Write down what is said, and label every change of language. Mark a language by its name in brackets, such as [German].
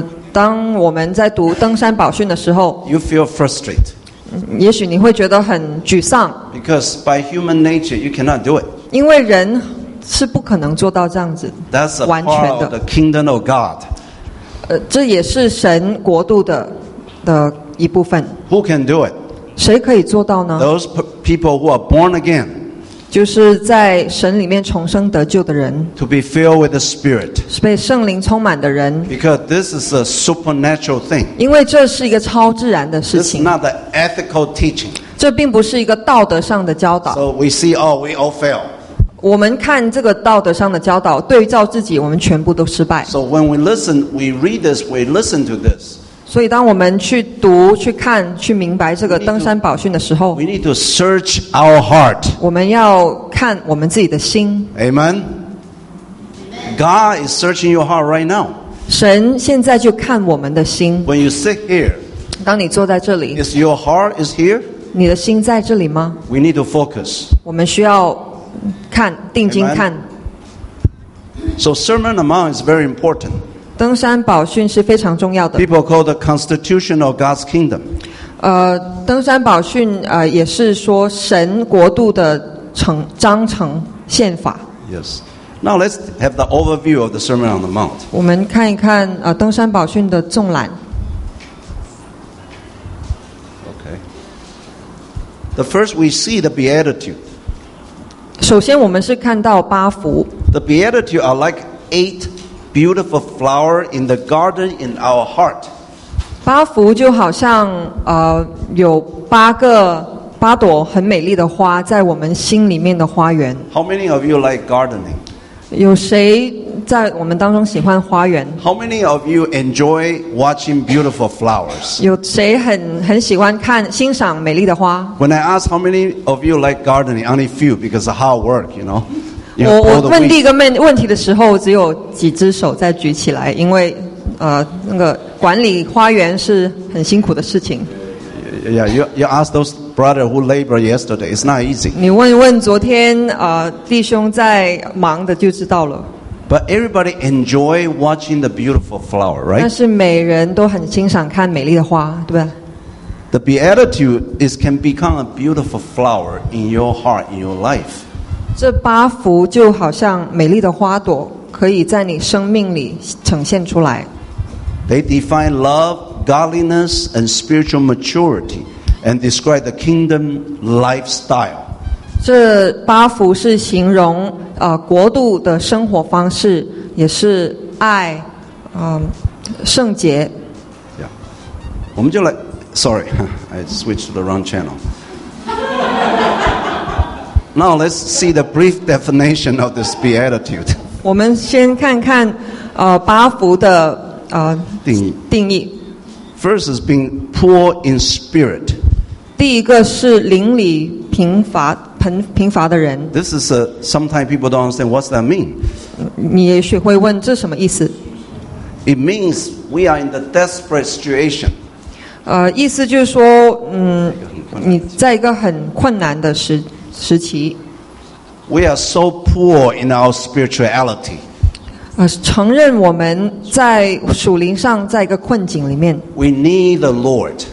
[Chinese] 当我们在读登山宝训的时候， [English] you feel frustrated. [Chinese] 也许你会觉得很沮丧。 [English] Because by human nature, you cannot do it. [Chinese] 因为人是不可能做到这样子完全的。 [English] Of the kingdom of God. [Chinese] 这也是神国度 的一部分。 [English] Who can do it? [Chinese] 谁可以做到呢？ [English] Those people who are born again. [Chinese] 就是在神里面重生得救的人。 [English] To be filled with the Spirit. [Chinese] 是被圣灵充满的人。 [English] Because this is a supernatural thing. [Chinese] 因为这是一个超自然的事情。 [English] This is not an ethical teaching. [Chinese] 这并不是一个道德上的教导。 [English] So we see, oh, we all fail. [Chinese] 我们看这个道德上的教导，对照自己，我们全部都失败。 [English] So when we listen, we read this, we listen to this. [Chinese] 所以当我们去读、去看、去明白这个登山宝训的时候， [English] we need to search our heart. [Chinese] 我们要看我们自己的心。 [English] Amen. God is searching your heart right now. [Chinese] 神现在就看我们的心。 [English] When you sit here, [Chinese] 当你坐在这里， [English] is your heart is here? [Chinese] 你的心在这里吗？ [English] We need to focus. [Chinese] 我们需要看，定睛看。 [English] So Sermon on the Mount is very important. [Chinese] 登山宝训是非常重要的。 [English] People call the Constitution of God's Kingdom. [Chinese] 登山宝训也是说神国度的章程宪法。 [English] Yes. Now let's have the overview of the Sermon on the Mount. [Chinese] 我们看一看登山宝训的纵览。 [English] Okay. The first we see the Beatitude. [Chinese] 首先我们是看到八福。 [English] The Beatitudes are like eight beautiful flowers in the garden in our heart. [Chinese] 八福就好像有八朵很美丽的花在我们心里面的花园。 [English] How many of you like gardening? [Chinese] 有谁在我们当中喜欢花园？ [English] How many of you enjoy watching beautiful flowers? [Chinese] 有谁很喜欢看欣赏美丽的花？ [English] When I ask how many of you like gardening, only few because of hard work, you know. [Chinese] 我问第一个问题的时候，只有几只手在举起来，因为那个管理花园是很辛苦的事情。 [English] Yeah, you ask those brother who labored yesterday. It's not easy. [Chinese] 你问昨天弟兄在忙的就知道了。 [English] But everybody enjoy watching the beautiful flower, right? [Chinese] 但是每人都很欣赏看美丽的花，对吧？ [English] The beatitude is can become a beautiful flower in your heart, in your life. [Chinese] 这八福就好像美丽的花朵，可以在你生命里呈现出来。 [English] They define love, godliness, and spiritual maturity, and describe the kingdom lifestyle. [Chinese] 这八福是形容国度的生活方式，也是爱圣洁。 [English] Yeah. [Chinese] 我们就来 [English] ，sorry, I switched to the wrong channel. Now let's see the brief definition of this beatitude. [Chinese] 我们先看看八福的定义。 [English] First is being poor in spirit. [Chinese] 第一个是灵里贫乏贫乏的人。 [English] This is sometimes people don't understand what's that mean. [Chinese] 你也许会问这什么意思？ [English] It means we are in the desperate situation. [Chinese] 意思就是说，你在一个很困难的时期。 [English] We are so poor in our spirituality. [Chinese] 承认我们在属灵上在一个困境里面。 [English] We need the Lord.